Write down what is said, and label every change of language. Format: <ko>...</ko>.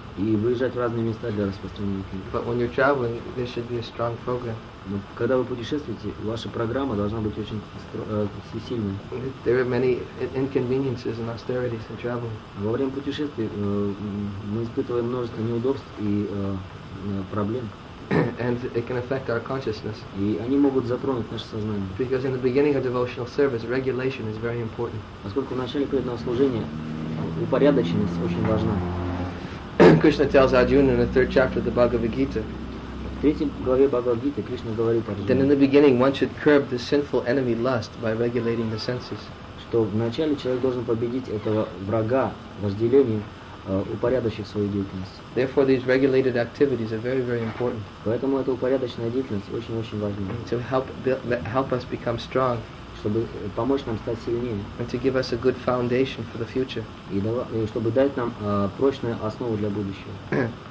<ru>И выезжать в разные места для распространения книг.</ru> <en>But when you're traveling, there should be a strong program.</en> <ru>Но когда вы путешествуете, ваша программа должна быть очень сильной.</ru> <en>There are many inconveniences and austerities in traveling.</en> <ru>Во время путешествий мы испытываем множество неудобств и проблем.</ru> <en>And it can affect our consciousness.</en> <ru>И они могут затронуть наше сознание.</ru> <en>Because in the beginning of devotional service, regulation is very important.</en> <ru>Поскольку в начале преданного служения упорядоченность очень важна.</ru> <en>Krishna tells Arjuna in the third chapter of the Bhagavad Gita.</en> <ru>В третьей главе Бхагавад Гиты Кришна говорит Арджуне.</ru> <en>Then in the beginning, one should curb the sinful enemy lust by regulating the senses.</en> <ru>Что в начале человек должен победить этого врага вожделением. Упорядочив свою деятельность.</ru> <en>Therefore, these regulated activities are very, very important.</en> <ru>Поэтому эта упорядоченная деятельность очень-очень важна.</ru> <en>To help us become strong.</en> <ru>Чтобы помочь нам стать сильнее.</ru> <en>And to give us a good foundation for the future.</en> <ru>И чтобы дать нам прочную основу для будущего.</ru>